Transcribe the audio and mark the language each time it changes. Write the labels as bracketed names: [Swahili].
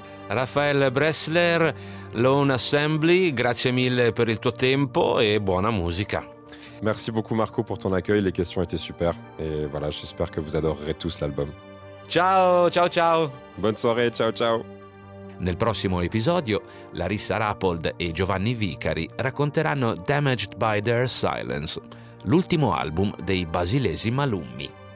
[Italian] Raphaël Bressler, Lone Assembly, grazie mille per il tuo tempo e buona musica. [French] Merci beaucoup Marco pour ton accueil, les questions étaient super et voilà, j'espère que vous adorerez tous l'album. [Italian] Ciao, ciao, ciao. [French] Bonne soirée, ciao, ciao. [Italian] Nel prossimo episodio, Larissa Rappold e Giovanni Vicari racconteranno Damaged by Their Silence, l'ultimo album dei basilesi Malummi.